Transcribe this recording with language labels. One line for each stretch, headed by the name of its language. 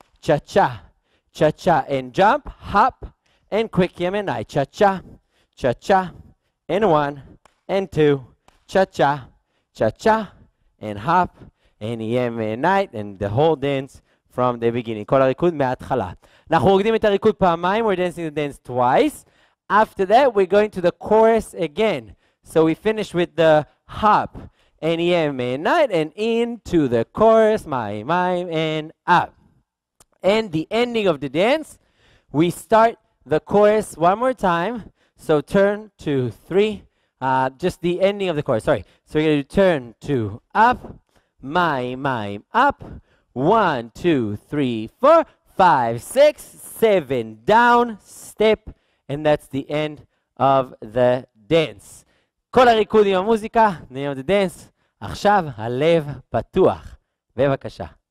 English: Cha-cha, cha-cha, and jump. Hop, and quick Yemenite. Cha-cha. Cha-cha, and one, and two, cha-cha, cha-cha, and hop, and EM and night, and the whole dance from the beginning.
Hebrew: כל הריקוד מההתחלה. אנחנו רוקדים את הריקוד פעמיים,
English: we're dancing the dance twice. After that, we're going to the chorus again. So we finish with the hop, and EM and night, and into the chorus, my, my, and up. And the ending of the dance, we start the chorus one more time. So turn, two, three, just the ending of the chorus, sorry. So we're going to do turn, two, up, mime, mime, up, one, two, three, four, five, six, seven, down, step, and that's the end of the dance.
Hebrew: כל הריקוד עם המוזיקה,
English: name of the dance,
Hebrew: עכשיו הלב פתוח, בבקשה.